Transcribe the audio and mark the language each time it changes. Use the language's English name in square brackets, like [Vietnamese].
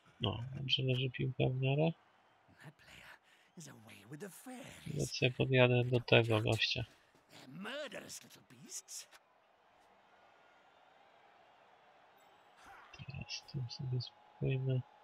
[Polish] No, dobrze leży piłka w miarę. [English] That player is away with the fairies. [Polish] Lecz sobie podjadę do tego gościa. [English] Murderous little beasts. [Polish] Teraz tu sobie spójrzmy.